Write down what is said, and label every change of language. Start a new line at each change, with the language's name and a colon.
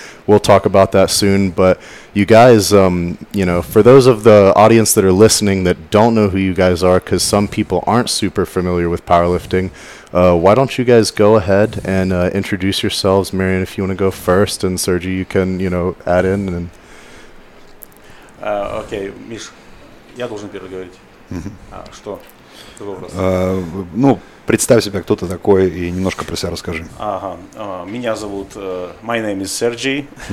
English: We'll talk about that soon, but you guys, you know, for those of the audience that are listening that don't know who you guys are, because some people aren't super familiar with powerlifting, why don't you guys go ahead and introduce yourselves? Marianne, if you want to go first, and Sergey, you can, you know, add in. And Okay, Miss,
Russian: я должен первый говорить. Что? Ну, представь себя, кто ты такой, и немножко про себя расскажи. Ага, меня зовут,
English: my name is Sergey.